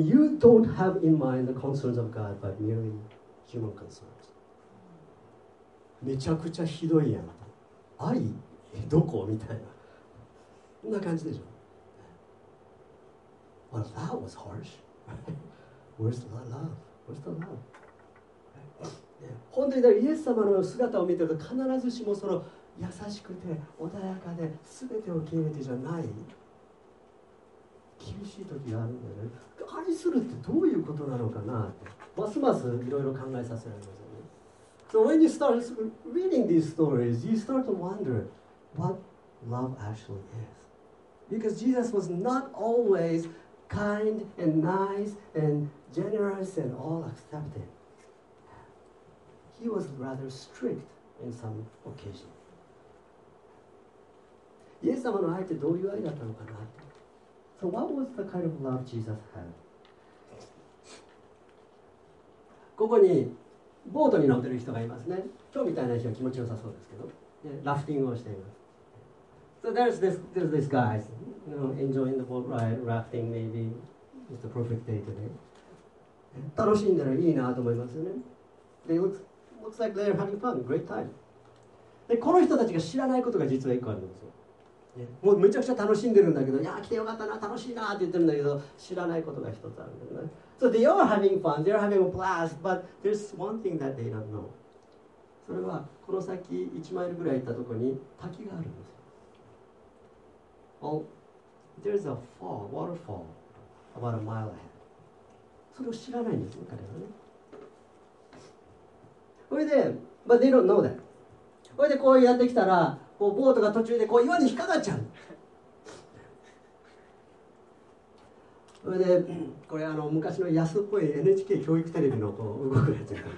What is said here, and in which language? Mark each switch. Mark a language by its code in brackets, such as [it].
[en] You don't have in mind the concerns of God, but merely human concerns. [ja] めちゃくちゃひどいやん。愛どこみたいな。こんな感じでしょ。 [en] Well, that was harsh. Where's the love? Where's the love? [ja] 本当にイエス様の姿を見てると必ずしもその優しくて穏やかで全てを受け入れてじゃない厳しい時があるんだよね。愛するってどういうことなのかなってますますいろいろ考えさせられますよね。 [en] So when you start reading these stories, you start to wonder what love actually is. Because Jesus was not alwayskind and nice and generous and all accepted. He was rather strict in some occasion. [ja] イエス様の愛ってどういう愛だったのかな。 [en] So what was the kind of love Jesus had? [ja] ここにボートに乗ってる人がいますね。今日みたいな日は気持ちよさそうですけど、ね、ラフティングをしています。 [en] So there's this guy, you know, enjoying the boat ride, rafting maybe. It's the perfect day today. [ja] 楽しんだらいいなと思いますよね。 [en] They looks like they're having fun, great time. [ja] で、この人たちが知らないことが実は一個あるんですよ。 [en] Yeah. [ja] もうめちゃくちゃ楽しんでるんだけど、いや来てよかったな、楽しいなって言ってるんだけど、知らないことが一つあるんだよね。 [en] So they are having fun, they're having a blast, but there's one thing that they don't know. [ja] それはこの先1マイルぐらい行ったとこに滝があるんですよ。 [en] Well, there's a fall, waterfall, about a mile ahead. [ja] それを知らないんですよ、彼らはね。それで、 [en] but they don't know that. [ja] それでこうやってきたら、こうボートが途中でこう岩に引っかかっちゃう。それでこれあの昔の安っぽい NHK 教育テレビのこう動くやつ。